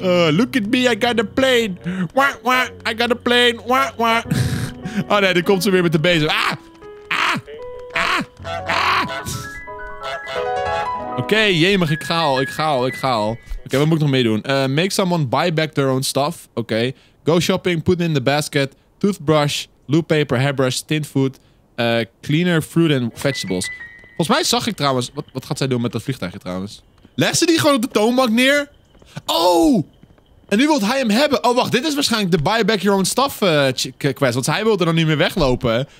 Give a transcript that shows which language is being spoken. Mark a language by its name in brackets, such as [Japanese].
[English] Look at me, I got a plane. Wah, I got a plane. Wah. [Dutch] Oh nee, dan komt ze weer met de bezem. Oké, jemig, ik ga al. Oké, wat moet ik nog meedoen? [English] Make someone buy back their own stuff. Oké. Go shopping, put in the basket. Toothbrush, loop paper, hairbrush, tint food, cleaner, fruit and vegetables. [Dutch] Volgens mij zag ik trouwens... Wat gaat zij doen met dat vliegtuigje trouwens? Legt ze die gewoon op de toonbank neer? Oh! En nu wil hij hem hebben. Oh, wacht. Dit is waarschijnlijk de [English] buy back your own stuff quest. [Dutch] Want hij wilde dan niet meer weglopen.